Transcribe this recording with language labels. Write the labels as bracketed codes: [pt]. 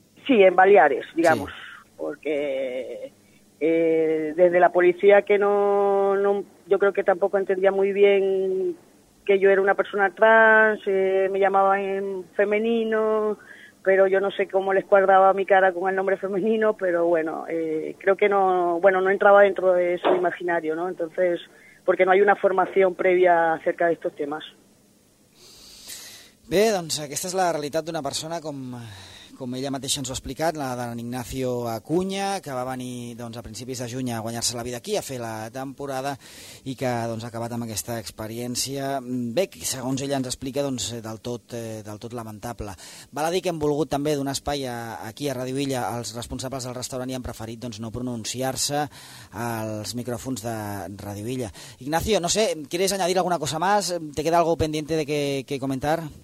[es] Sí, en Baleares, digamos, sí. Porque desde la policía que no, yo creo que tampoco entendía muy bien que yo era una persona trans, me llamaban en femenino, pero yo no sé cómo les cuadraba mi cara con el nombre femenino, pero bueno, creo que no entraba dentro de su imaginario, ¿no? Entonces, porque no hay una formación previa acerca de estos temas. [ca] Bé, doncs aquesta és la realitat d'una persona com ella mateixa ens ho ha explicat, la d'en Ignacio Acuña, que va venir doncs, a principis de juny a guanyar-se la vida aquí, a fer la temporada, i que doncs, ha acabat amb aquesta experiència. Bé, segons ella ens explica, doncs, del tot lamentable. Val a dir que hem volgut també donar espai aquí a Ràdio Illa als responsables del restaurant i han preferit doncs, no pronunciar-se als micròfons de Ràdio Illa. [es] Ignacio, no sé, ¿quieres añadir alguna cosa más? ¿Te queda algo pendiente de que comentar?